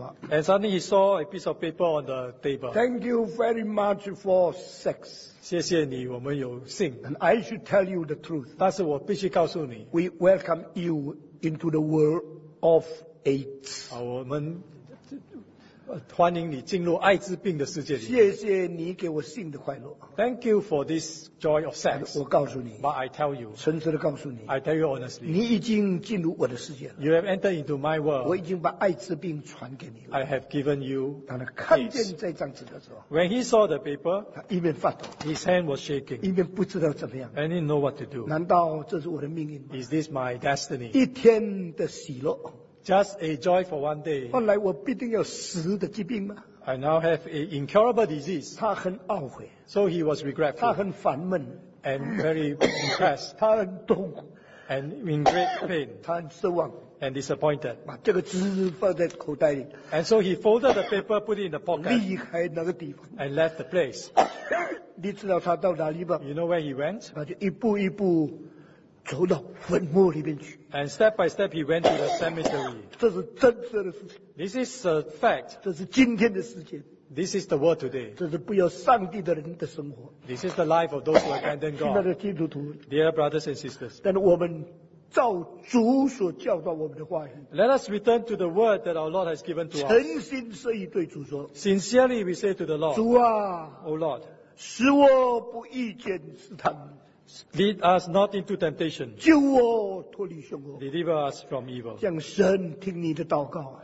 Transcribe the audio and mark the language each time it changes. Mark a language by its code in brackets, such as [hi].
[en] And suddenly he saw a piece of paper on the table. Thank you very much for sex. [zh] 谢谢你，我们有幸。 [en] And I should tell you the truth. [zh] 但是我必须告诉你, [en] we welcome you into the world of AIDS. [zh] 我们 欢迎你进入艾滋病的世界里。谢谢你给我性的快乐。 [en] Thank you for this joy of sex. [zh] 我告诉你, [en] but I tell you, [zh] 诚实地告诉你, [en] I tell you honestly, [zh] 你已经进入我的世界了。 [en] You have entered into my world. [zh] 我已经把艾滋病传给你了。 [en] I have given you AIDS. When he saw the paper, [zh] 他一面发抖, [en] his hand was shaking, [zh] 一面不知道怎么样, [en] and he didn't know what to do. [zh] 难道这是我的命运吗? [en] Is this my destiny? [zh] 一天的喜乐, [en] just a joy for one day. [zh] 后来我必定要死的疾病吗? [en] I now have an incurable disease. [zh] 他很懊悔, [en] so he was regretful. [zh] 他很烦闷, [en] and very depressed. [zh] 他很痛苦, [en] and in great pain. [zh] 他很失望, [en] and disappointed. [zh] 把这个纸放在口袋里, [en] and so he folded the paper, put it in the pocket, [zh] 离开那个地方, [en] and left the place. [zh] 你知道他到哪里吗? [en] You know where he went? [zh] 他就一步一步 走到坟墓里面去, [en] and step by step he went to the cemetery. [zh] 这是真实的事情, [en] this is a fact. [zh] 这是今天的世界, [en] this is the world today. [zh] 这是不要上帝的人的生活, [en] this is the life of those who abandon God. [zh] 亲爱的基督徒, [en] dear brothers and sisters, [zh] 但我们照主所教导我们的话语, [en] let us return to the word that our Lord has given to us. [zh] 诚心说一对主说, [en] sincerely we say to the Lord, [zh] 主啊, [en] O Lord, [zh] 使我不遇见试探, [en] lead us not into temptation. [zh] 救我脱离凶恶, [en] deliver us from evil. [zh] 让神听你的祷告,